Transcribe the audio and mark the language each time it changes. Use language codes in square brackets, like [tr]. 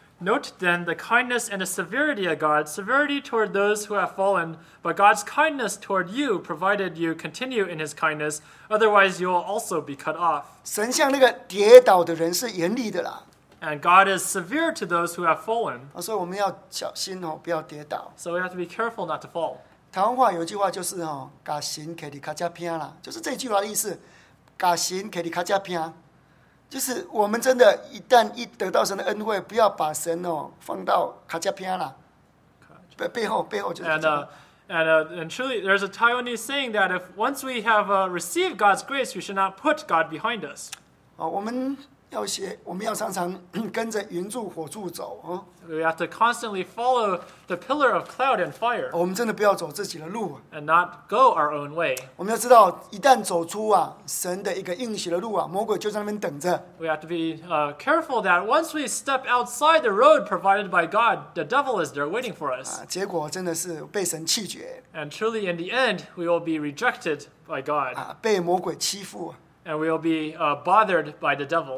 [en] Note then the kindness and the severity of God, severity toward those who have fallen, but God's kindness toward you, provided you continue in his kindness, otherwise you will also be cut off. [zh] 神像那个跌倒的人是严厉的啦。 [en] And God is severe to those who have fallen. [zh] 所以我们要小心哦，不要跌倒。 [en] So we have to be careful not to fall. [zh] 台湾话有句话就是哦，把神给你卡加偏啦，就是这句话的意思，把神给你卡加偏，就是我们真的，一旦一得到神的恩惠，不要把神哦放到卡加偏啦。背后就是这个。 [en] And truly, there's a Taiwanese saying that if once we have received God's grace, we should not put God behind us. [zh] 我们要常常跟着云柱火柱走。 [en] We have to constantly follow the pillar of cloud and fire. [zh] 我们真的不要走自己的路。 [en] And not go our own way. [zh] 我们要知道，一旦走出啊神的一个应许的路啊，魔鬼就在那边等着。 [en] We have to be careful that once we step outside the road provided by God, the devil is there waiting for us. [zh] 结果真的是被神弃绝。 [en] And truly, in the end, we will be rejected by God. [zh] 被魔鬼欺负。 [en] And we'll be bothered by the devil.